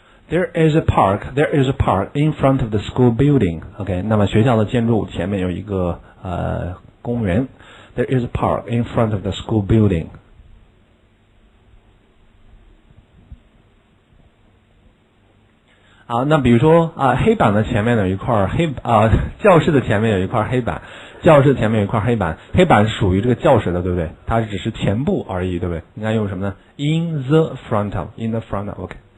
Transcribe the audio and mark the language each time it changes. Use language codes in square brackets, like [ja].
[en] There is a park, there is a park in front of the school building. [zh] OK, 那么学校的建筑前面有一个公园。 [en] There is a park in front of the school building. [zh] 好，那比如说黑板的前面有一块教室的前面有一块黑板。教室前面有一块黑板，黑板属于这个教室的，对不对？它只是前部而已，对不对？应该用什么呢？ [en] In the front of, in the front of, OK.